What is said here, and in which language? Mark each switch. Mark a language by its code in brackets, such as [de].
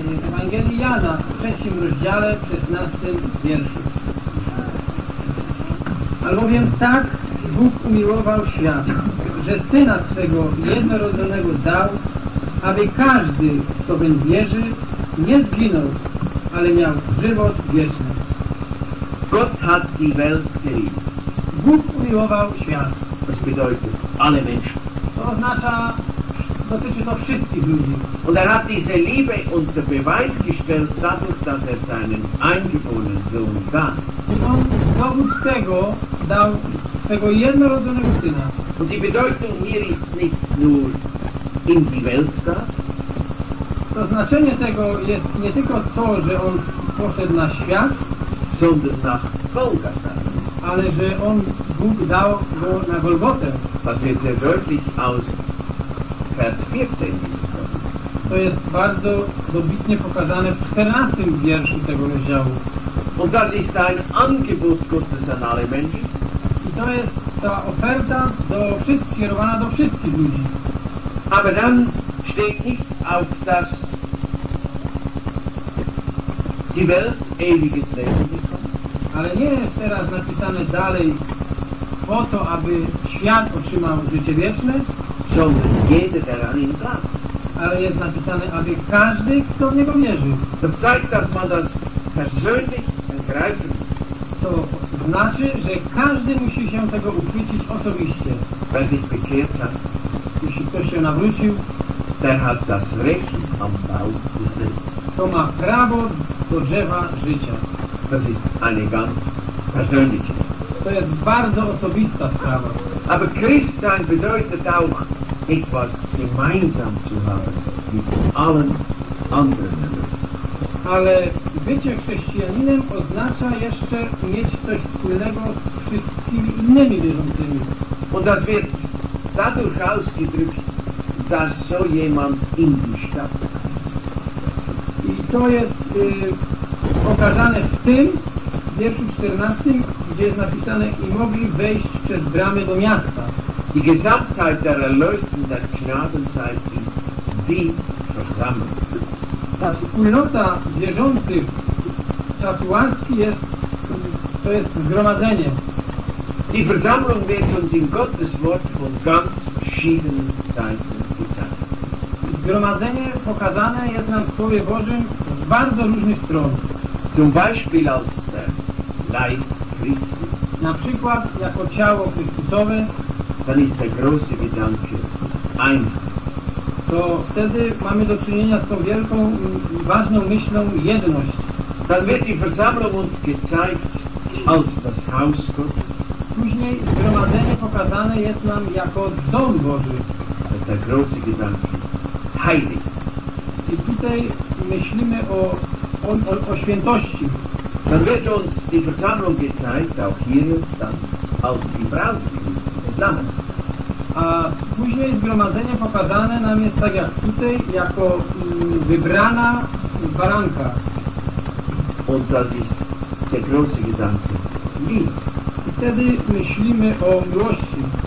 [pl] W Ewangelii Jana w 3 rozdziale, 16 wierszu. Albowiem tak Bóg umiłował świat, że Syna swego jednorodzonego dał, aby każdy, kto w Niego wierzy, nie zginął, ale miał żywot wieczny. [de] Gott hat die Welt geliebt. [pl] Bóg umiłował świat. [de] Das bedeutet alle Menschen. [pl] To oznacza, dotyczy to wszystkich ludzi. [de] Und er hat diese Liebe unter Beweis gestellt, dadurch, dass er seinen eingeborenen Sohn gab. [pl] I on dowód tego dał swego jednorodzonego Syna. [de] Und die Bedeutung hier ist nicht nur in die Welt gab. [pl] To znaczenie tego jest nie tylko to, że on poszedł na świat, [de] sondern nach Golgatha, [pl] ale że on Bóg dał go na Golgotę. [de] Was wird sehr deutlich aus Vers 14. [pl] To jest bardzo dobitnie pokazane w 14 wierszu tego rozdziału. [de] Und das ist ein Angebot Gottes an alle Menschen. [pl] I to jest ta oferta do wszystkich, skierowana do wszystkich ludzi. [de] Aber dann steht nicht auf das die Welt ewiges Leben bekommt. [pl] Ale nie jest teraz napisane dalej po to, aby świat otrzymał życie wieczne, [de] sondern jeder, der an ihn glaubt. [pl] Ale jest napisane, aby każdy, kto w niego wierzy. [de] Das zeigt, dass man das persönlich ergreifen. [pl] To znaczy, że każdy musi się tego uchwycić osobiście. [de] Wer sich bekehrt hat. [pl] Jeśli ktoś się nawrócił, [de] der hat das Recht am Baum des Lebens. [pl] To ma prawo do drzewa życia. [de] Das ist eine ganz persönliche. [pl] To jest bardzo osobista sprawa. [de] Aber Christsein bedeutet auch etwas gemeinsam zu haben mit allen anderen Menschen. [pl] Ale bycie chrześcijaninem oznacza jeszcze mieć coś wspólnego z wszystkimi innymi wierzącymi. [de] Und das wird dadurch ausgedrückt, dass so jemand in die Stadt kommt. [pl] I to jest pokazane w tym wierszu 14, gdzie jest napisane i mogli wejść przez bramy do miasta. [de] Die Gesamtheit der Erlösten der Gnadenzeit ist die Versammlung. [pl] Ta wspólnota wierzących czasu łaski jest, to jest zgromadzenie. [de] Die Versammlung wird uns in Gottes Wort von ganz verschiedenen Seiten gezeigt. [pl] Zgromadzenie pokazane jest nam w Słowie Bożym z bardzo różnych stron. [de] Zum Beispiel aus der Leib Christi. [pl] Na przykład jako ciało Chrystusowe. [de] Dann ist der große Gedanke Einheit. [pl] To wtedy mamy do czynienia z tą wielką, ważną myślą jedność. [de] Dann wird die Versammlung uns gezeigt als das Haus Gottes. [pl] Później zgromadzenie pokazane jest nam jako dom Boży. [de] Der große Gedanke Heilig. [pl] I tutaj myślimy o świętości. [de] Dann wird uns die Versammlung gezeigt, auch hier ist dann, auch die Braut, [pl] zamiast. A później zgromadzenie pokazane nam jest tak jak tutaj, jako wybrana baranka. [de] Und das ist der große Gedanke. Wie? [pl] I wtedy myślimy o miłości.